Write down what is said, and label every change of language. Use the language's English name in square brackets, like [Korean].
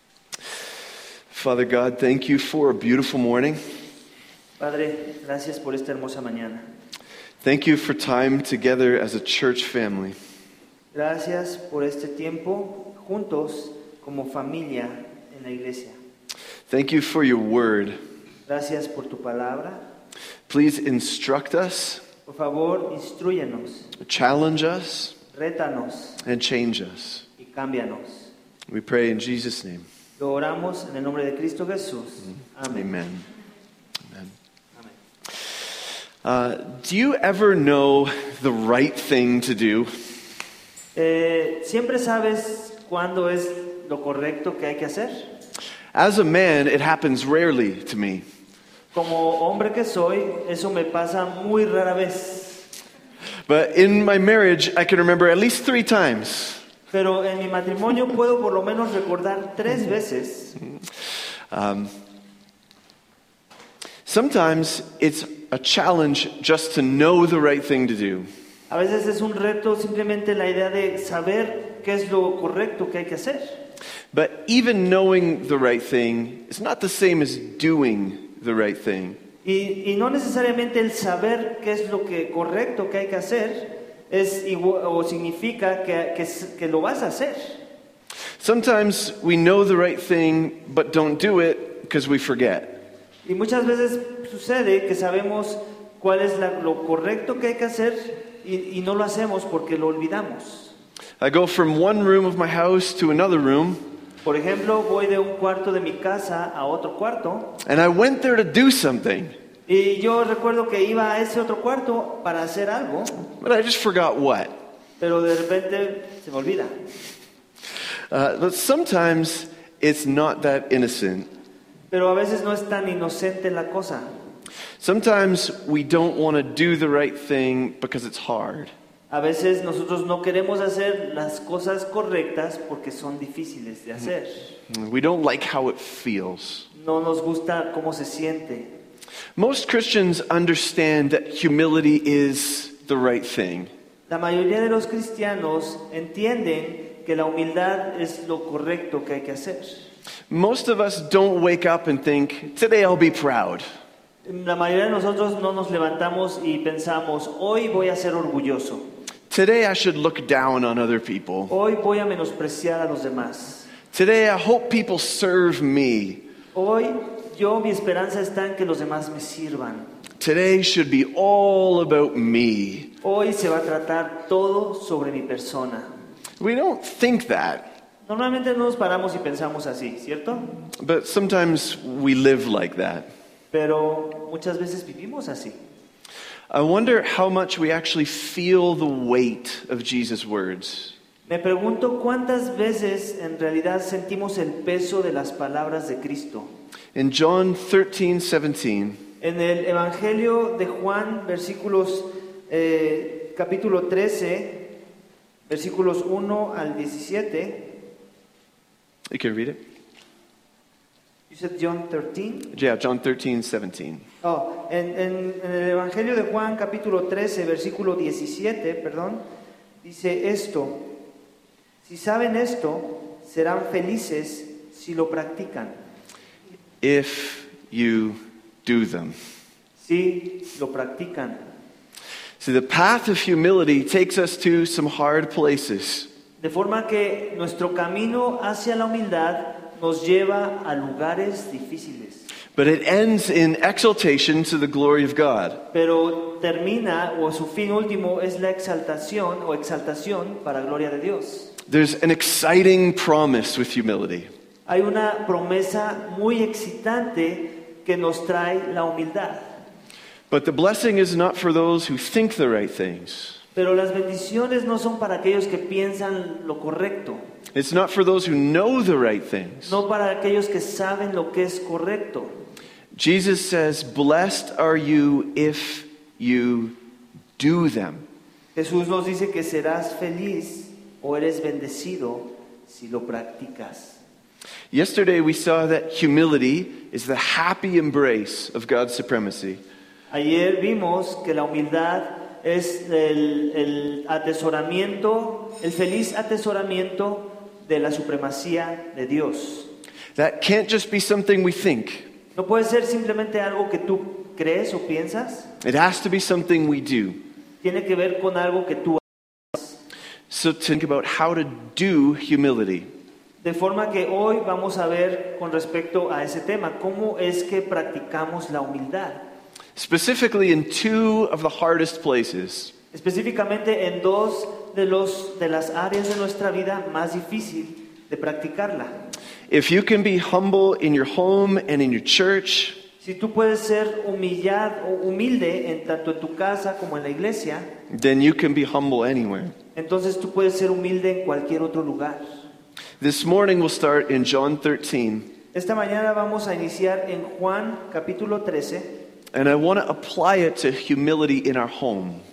[English] Father God, thank you for a beautiful morning. [Spanish] Padre, gracias por esta hermosa mañana. [English] Thank you for time together as a church family. [Spanish] Gracias por este tiempo juntos como familia en la iglesia. [English] Thank you for your word. [Spanish] Gracias por tu palabra. [English] Please instruct us. [Spanish] Por favor, instrúyenos. [English] Challenge us. [Spanish] Rétanos. [English] And change us. [Spanish] Y cámbianos. [English] We pray in Jesus' name. [Spanish] Lo oramos en el nombre de Cristo Jesús. Amén. [English] Amen. Amen. Do you ever know the right thing to do? [Spanish] ¿Siempre sabes cuándo es lo correcto que hay que hacer? [English] As a man, it happens rarely to me. [Spanish] Como hombre que soy, eso me pasa muy rara vez. [English] But in my marriage, I can remember at least 3 times. [Spanish] Pero en mi matrimonio puedo por lo menos recordar 3 veces. [English] Sometimes it's a challenge just to know the right thing to do. [Spanish] A veces es un reto simplemente la idea de saber qué es lo correcto que hay que hacer. [English] But even knowing the right thing is not the same as doing the right thing. [Spanish] Y no necesariamente el saber qué es lo que correcto que hay que hacer es igual, o significa que lo vas a hacer. [English] Sometimes we know the right thing but don't do it because we forget. [Spanish] Y muchas veces sucede que sabemos cuál es lo correcto que hay que hacer y no lo hacemos porque lo olvidamos. [English] I go from one room of my house to another room. [Spanish] Por ejemplo, voy de un cuarto de mi casa a otro cuarto. [English] And I went there to do something. [Spanish] Y yo recuerdo que iba a ese otro cuarto para hacer algo. [English] But I just forgot what. [Spanish] Pero de repente se me olvida. [English] But sometimes it's not that innocent. [Spanish] Pero a veces no es tan inocente la cosa. [English] Sometimes we don't want to do the right thing because it's hard. [Spanish] A veces nosotros no queremos hacer las cosas correctas porque son difíciles de hacer. [English] We don't like how it feels. [Spanish] No nos gusta cómo se siente. [English] Most Christians understand that humility is the right thing. [Spanish] La mayoría de los cristianos entienden que la humildad es lo correcto que hay que hacer. [English] Most of us don't wake up and think, "Today I'll be proud." [Spanish] La mayoría de nosotros no nos levantamos y pensamos, "Hoy voy a ser orgulloso." [English] Today I should look down on other people. [Spanish] Hoy voy a menospreciar a los demás. [English] Today I hope people serve me. [Spanish] Hoy yo mi esperanza está en que los demás me sirvan. [English] Today should be all about me. [Spanish] Hoy se va a tratar todo sobre mi persona. [English] We don't think that. [Spanish] Normalmente no nos paramos y pensamos así, ¿cierto? [English] But sometimes we live like that. [Spanish] Pero muchas veces vivimos así. [English] I wonder how much we actually feel the weight of Jesus' words. [Spanish] Me pregunto cuántas veces en realidad sentimos el peso de las palabras de Cristo. [English] In John 13:17. [Spanish] En el Evangelio de Juan, versículos capítulo 13, versículos 1 al 17. [English] You can read it. You said John 13? Yeah, John 13:17. [Spanish] Oh, en el Evangelio de Juan, capítulo 13, versículo 17, perdón, dice esto: si saben esto, serán felices si lo practican. [English] If you do them. [Spanish] Si lo practican. [English] See, the path of humility takes us to some hard places. [Spanish] De forma que nuestro camino hacia la humildad nos lleva a lugares difíciles. [English] But it ends in exaltation to the glory of God. [Spanish] Pero termina, o su fin último, es la exaltación, o exaltación para la gloria de Dios. [English] There's an exciting promise with humility. [Spanish] Hay una promesa muy excitante que nos trae la humildad. [English] But the blessing is not for those who think the right things. [Spanish] Pero las bendiciones no son para aquellos que piensan lo correcto. [English] It's not for those who know the right things. [Spanish] No para aquellos que saben lo que es correcto. [English] Jesus says, "Blessed are you if you do them." [Spanish] Jesús nos dice que serás feliz o eres bendecido si lo practicas. [English] Yesterday we saw that humility is the happy embrace of God's supremacy. [Spanish] Ayer vimos que la humildad es el atesoramiento, el feliz atesoramiento de la supremacía de Dios. [English] That can't just be something we think. [Spanish] No puede ser simplemente algo que tú crees o piensas. [English] It has to be something we do. [Spanish] Tiene que ver con algo que tú haces. [English] So to think about how to do humility. [Spanish] De forma que hoy vamos a ver con respecto a ese tema, ¿cómo es que practicamos la humildad? [English] Specifically in two of the hardest places. [Spanish] Específicamente en dos de las áreas de nuestra vida más difícil de practicarla. [English] If you can be humble in your home and in your church, [Spanish] si tú puedes ser humilde en tanto en tu casa como en la iglesia, [English] then you can be humble anywhere. [Spanish] Entonces tú puedes ser humilde en cualquier otro lugar. [English] This morning we'll start in John 13. [Spanish] Esta mañana vamos a iniciar en Juan capítulo 13. [English] And I want to apply it to humility in our home.